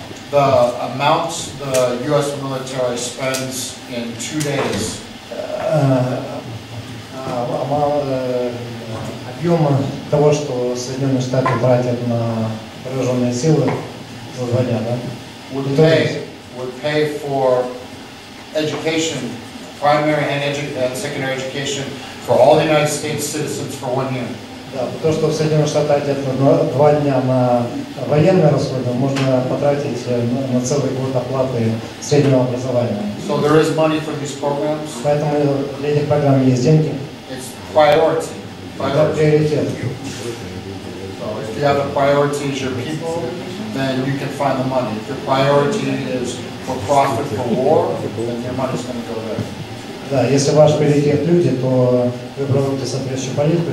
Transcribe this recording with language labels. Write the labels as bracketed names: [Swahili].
[English] The amount the U.S. military spends in 2 days. [Russian] Объем того, что Соединенные Штаты тратят на вооруженные силы за 2 дня, да? [English] Would pay for education, primary and secondary education for all the United States citizens for 1 year. [Russian] Да, то, что в Соединенных Штатах где-то 2 дня на военные расходы, можно потратить на целый год оплаты среднего образования. [English] So there is money for these programs. [Russian] Поэтому для этих программ есть деньги. [English] It's priority. [Russian] Это приоритет. [English] So if you have a priority as your people, then you can find the money. If your priority is for profit for war, then your money's going to go there. [Russian] Да, если ваш приоритет люди, то вы проводите соответствующую политику.